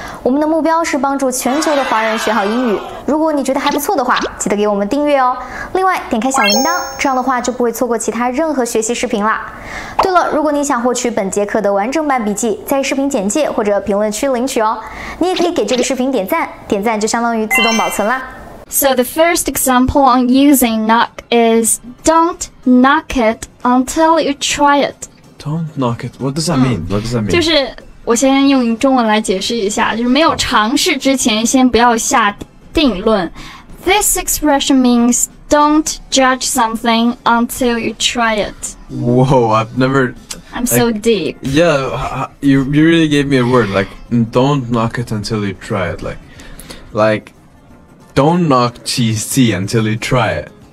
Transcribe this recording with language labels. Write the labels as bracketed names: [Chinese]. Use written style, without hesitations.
[Chinese] 我们的目标是帮助全球的华人学好英语。如果你觉得还不错的话，记得给我们订阅哦。另外，点开小铃铛，这样的话就不会错过其他任何学习视频啦。对了，如果你想获取本节课的完整版笔记，在视频简介或者评论区领取哦。你也可以给这个视频点赞，点赞就相当于自动保存啦。 [English] So the first example on using knock is don't knock it until you try it. Don't knock it. What does that mean? What does that mean? [Chinese] 就是我先用中文来解释一下，就是没有尝试之前先不要下定论。 [English] This expression means don't judge something until you try it. Whoa, I've never. I'm like, so deep. Yeah, you really gave me a word like don't knock it until you try it. Like don't knock cheese tea until you try it.